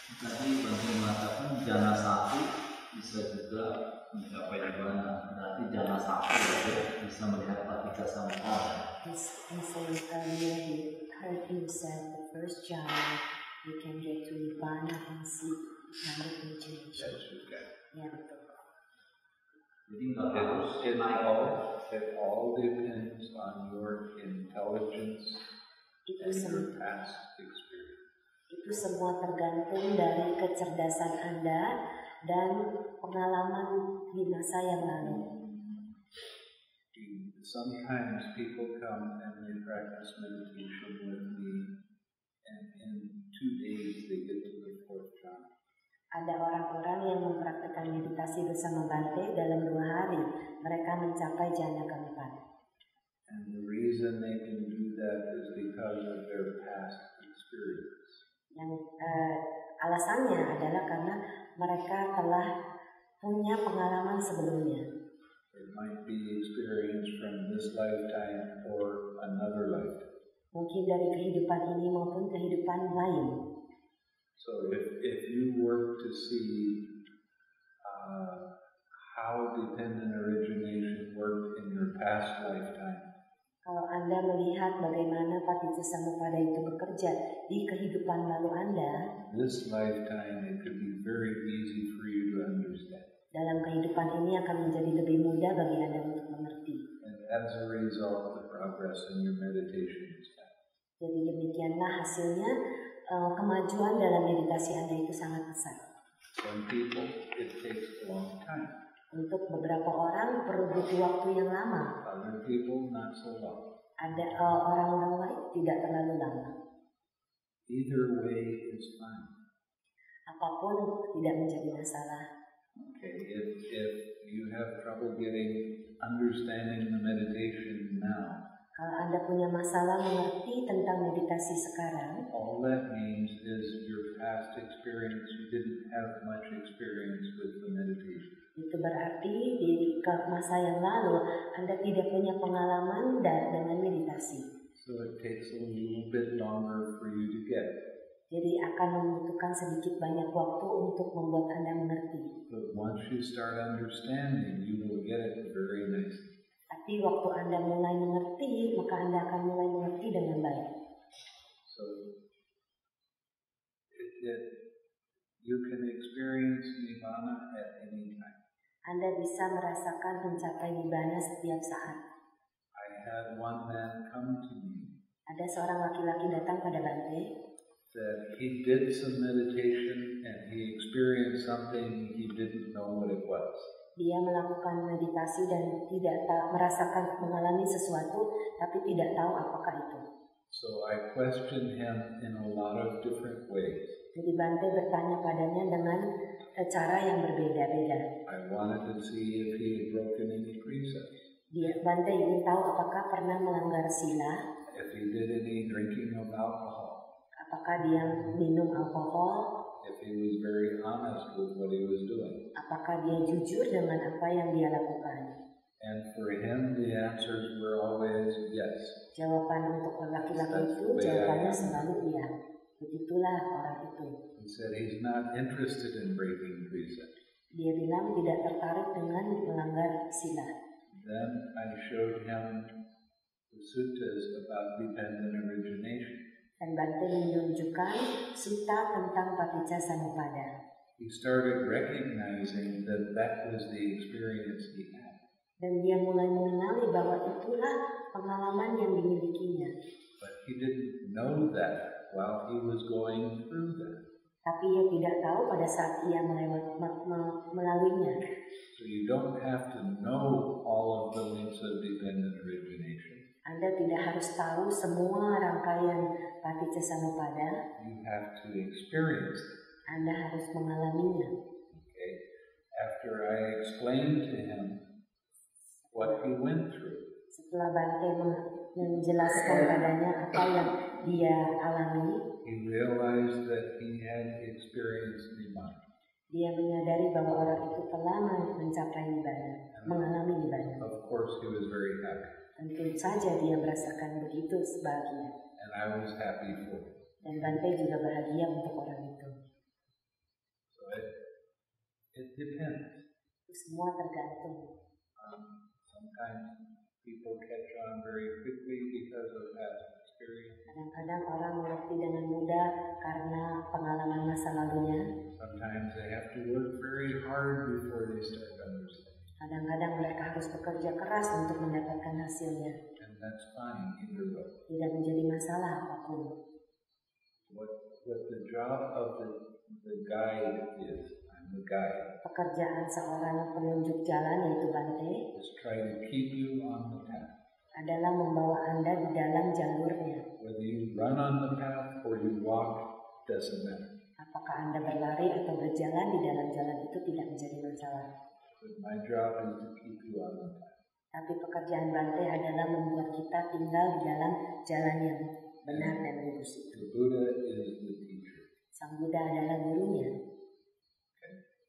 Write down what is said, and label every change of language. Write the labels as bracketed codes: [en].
[id] Jadi bagi mengatakan jana satu bisa juga mencapai nirvana. Berarti jana satu juga bisa melihat patika samsara. [en] This is earlier he heard him said the first jhana. You can get to Nirvana and see another intention. Yes, you can. Yeah. You think that helps? Can I all? It all depends on your intelligence [id] itu [en] and your past experience. [id] Itu semua tergantung dari kecerdasan Anda dan pengalaman di masa yang lalu. [en] Sometimes people come and they practice meditation with me. And in 2 days they get to the fourth jhana. [id] Ada orang-orang yang mempraktikkan meditasi bersama Bante dalam 2 hari, mereka mencapai jhana keempat. [en] And the reason they can do that is because of their past experience. [id] Yang alasannya adalah karena mereka telah punya pengalaman sebelumnya. [en] It might be experience from this lifetime or another lifetime. [id] Mungkin dari kehidupan ini maupun kehidupan lain. [en] So if you work to see how dependent origination worked in your past lifetime. [id] Kalau Anda melihat bagaimana patijasamupada itu bekerja di kehidupan lalu Anda. [en] This lifetime it could be very easy for you to understand. [id] Dalam kehidupan ini akan menjadi lebih mudah bagi Anda untuk mengerti. [en] And as a result, the progress in your meditation is better. [id] Jadi demikianlah hasilnya kemajuan dalam meditasi Anda itu sangat besar. [en] Some people it takes a long time. [id] Untuk beberapa orang perlu butuh waktu yang lama. [en] Other people not so long. [id] Ada orang-orang lain tidak terlalu lama. [en] Either way is fine. [id] Apapun tidak menjadi masalah. [en] Okay, if you have trouble getting understanding the meditation now. [id] Kalau Anda punya masalah mengerti tentang meditasi sekarang, [en] all that means is your past experience, you didn't have much experience with the meditation. [id] Itu berarti di masa yang lalu Anda tidak punya pengalaman dengan meditasi. [en] So it takes a little bit longer for you to get. [id] Jadi akan membutuhkan sedikit banyak waktu untuk membuat Anda mengerti. [en] But once you start understanding, you will get it very nicely. [id] Tapi waktu Anda mulai mengerti, maka Anda akan mulai mengerti dengan baik. [en] So, you can experience nirvana at any time. [id] Anda bisa merasakan mencapai nirvana setiap saat. [en] I had one man come to me. [id] Ada seorang laki-laki datang pada Bante. [en] That he did some meditation and he experienced something he didn't know what it was. [id] Dia melakukan meditasi dan tidak tahu merasakan mengalami sesuatu tapi tidak tahu apakah itu. [en] So I questioned him in a lot of different ways. [id] Jadi Bante bertanya padanya dengan cara yang berbeda-beda. [en] I wanted to see if he had broken any precepts. [id] Dia Bante ingin tahu apakah pernah melanggar sila. [en] If he did any drinking of alcohol. [id] Apakah dia minum alkohol? [en] If he was very honest with what he was doing. [id] Apakah dia jujur dengan apa yang dia lakukan? [en] And for him, the answers were always yes. [id] Jawaban untuk laki-laki itu jawabannya selalu iya. Begitulah orang itu. [en] He said he's not interested in breaking precept. [id] Dia bilang tidak tertarik dengan melanggar sila. [en] Then I showed him the suttas about dependent origination. [id] Dan Bante menunjukkan Sutta tentang Paticca Samuppada. [en] He started recognizing that that was the experience he had. [id] Dan dia mulai mengenali bahwa itulah pengalaman yang dimilikinya. [en] But he didn't know that while he was going through that. [id] Tapi ia tidak tahu pada saat ia melaluinya. [en] So you don't have to know all of the links of dependent origination. [id] Anda tidak harus tahu semua rangkaian Paticca Samuppada. [en] You have to experience it. [id] Anda harus mengalaminya. [en] Okay. After I explained to him what he went through. [id] Setelah Bante menjelaskan padanya apa yang dia alami. [en] He realized that he had experienced nirvana. [id] Dia menyadari bahwa orang itu telah mencapai nirvana, mengalami nirvana. [en] Of course, he was very happy. [id] Tentu saja dia merasakan begitu sebahagia. [en] And I was happy for it. [id] Dan Bante juga bahagia untuk orang itu. [en] So it depends. [id] Itu semua tergantung. [en] Sometimes people catch on very quickly because of past experience. [id] Kadang-kadang orang mengerti dengan mudah karena pengalaman masa lalunya. [en] Sometimes they have to work very hard before they start understanding. [id] Kadang-kadang mereka harus bekerja keras untuk mendapatkan hasilnya. [en] And that's fine, either way. [id] Tidak menjadi masalah apapun. [en] What the job of the guide is, I'm the guide. [id] Pekerjaan seorang penunjuk jalan yaitu Bante. [en] Is trying to keep you on the path. [id] Adalah membawa Anda di dalam jalurnya. [en] Whether you run on the path or you walk, doesn't matter. [id] Apakah Anda berlari atau berjalan di dalam jalan itu tidak menjadi masalah. [en] But my job is to keep you on the path. [id] Tapi pekerjaan Bante adalah membuat kita tinggal di dalam jalan yang benar dan lurus. [en] The Buddha is the teacher. [id] Sang Buddha adalah gurunya. [en] Okay.